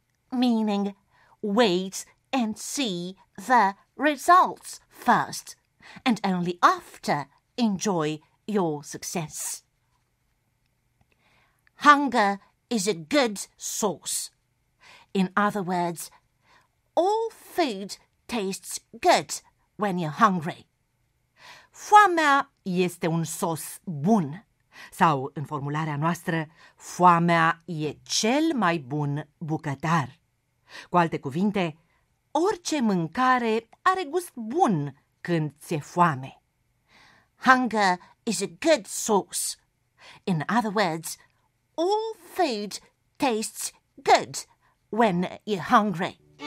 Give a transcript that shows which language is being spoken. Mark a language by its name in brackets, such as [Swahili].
[English] Meaning, wait and see the results first and only after enjoy your success. Hunger is a good source. In other words, all food tastes good when you're hungry. [Romanian] Foamea este un sos bun. Sau, în formularea noastră, foamea e cel mai bun bucătar. Cu alte cuvinte, orice mâncare are gust bun când ți-e foame. [English] Hunger is a good source. In other words, all food tastes good when you're hungry.